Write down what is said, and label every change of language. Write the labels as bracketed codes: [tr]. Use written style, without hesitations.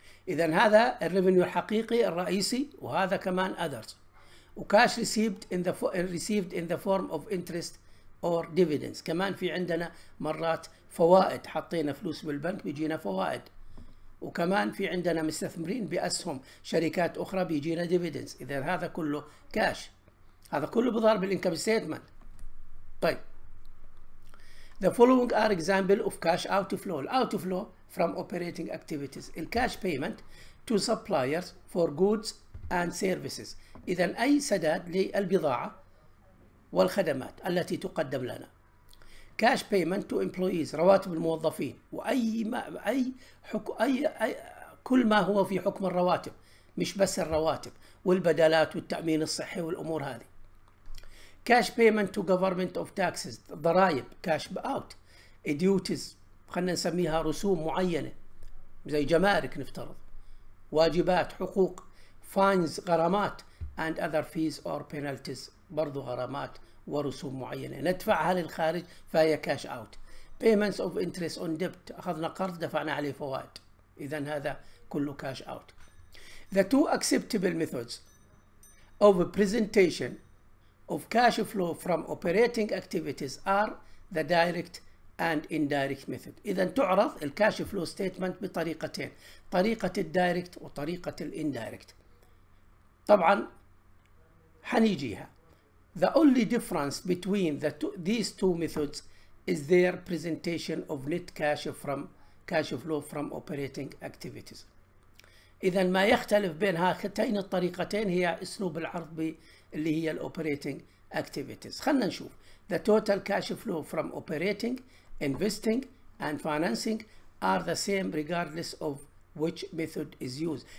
[ar] إذا هذا الريفينيو الحقيقي الرئيسي، وهذا كمان [en] others، وكاش received in the received in the form of interest or dividends. [ar] كمان في عندنا مرات فوائد، حطينا فلوس بالبنك بيجينا فوائد، وكمان في عندنا مستثمرين باسهم شركات اخرى بيجينا ديفيدنس. اذا هذا كله كاش، هذا كله بيظهر بالانكم ستيتمنت. طيب [en] The following are examples of cash outflow. Outflow from operating activities. The cash payment to suppliers for goods and services. [ar] إذا أي سداد للبضاعة والخدمات التي تقدم لنا. [en] Cash payment to employees. [ar] رواتب الموظفين. وأي ما أي حكم أي, أي كل ما هو في حكم الرواتب، مش بس الرواتب، والبدلات والتأمين الصحي والأمور هذه. [en] Cash payment to government of taxes. [ar] ضرائب. [en] Cash out. Duties. [ar] خلنا نسميها رسوم معينة. زي جمارك نفترض. واجبات. حقوق. Fines. غرامات. [en] And other fees or penalties. [ar] برضو غرامات ورسوم معينة. ندفعها للخارج فهي cash out. [en] Payments of interest on debt. [ar] أخذنا قرض دفعنا عليه فوائد. إذن هذا كله cash out. [en] The two acceptable methods of presentation of cash flow from operating activities are the direct and indirect method. [ar] إذا تعرض الكاش فلو ستيتمنت بطريقتين، طريقة الدايركت وطريقة الاندايركت. طبعا حنيجيها. [en] The only difference between these two methods is their presentation of net cash flow from operating activities. [ar] إذا ما يختلف بين هاتين الطريقتين هي أسلوب العرض اللي هي الاوبريتنج اكتيفيتيز. [en] خلينا نشوف the total cash flow from operating investing and financing are the same regardless of which method is used.